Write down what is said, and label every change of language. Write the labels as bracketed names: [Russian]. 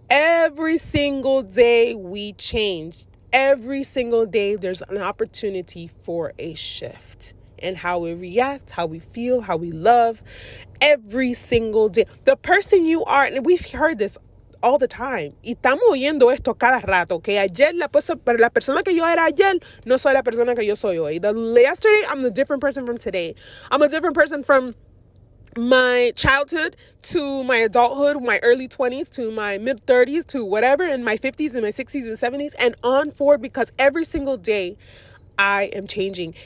[English] Every single day we change. Every single day there's an opportunity for a shift. and how we react, how we feel, how we love every single day. The person you are, and we've heard this all the time. [Spanish] Y estamos oyendo esto cada rato, que ayer la persona que yo era ayer no soy la persona que yo soy hoy. [English] Yesterday, I'm a different person from today. I'm a different person from my childhood to my adulthood, my early 20s to my mid 30s to whatever, in my 50s and my 60s and 70s and on forward, because every single day I am changing.